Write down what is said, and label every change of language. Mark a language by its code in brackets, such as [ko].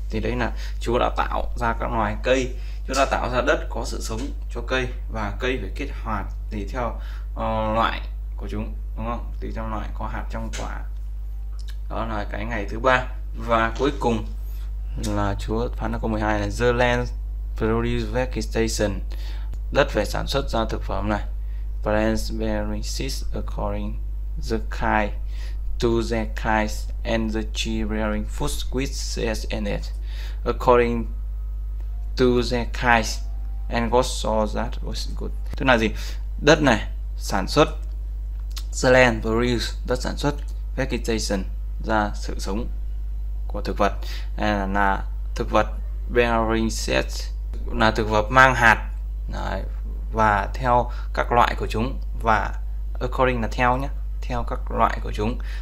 [vi] Thì đấy là Chúa đã tạo ra các loài cây, Chúa đã tạo ra đất có sự sống cho cây, và cây phải kết hạt tùy theo loại của chúng, đúng không? Tùy theo loại có hạt trong quả. Đó là cái ngày thứ ba. Và cuối cùng là Chúa phán ra câu 12 là [en] the land produce vegetation, [vi] đất phải sản xuất ra thực phẩm này. [en] Plants bearing seeds according the kind to their kinds, and the tree bearing fruit with seeds in it according to their kinds, and God saw that was good. [vi] Tức là gì? Đất này sản xuất, [en] the land produce, [vi] đất sản xuất vegetation, ra sự sống của thực vật, là thực vật bearing seeds, là thực vật mang hạt. Đấy, và theo các loại của chúng, và according là theo nhé, theo các loại của chúng.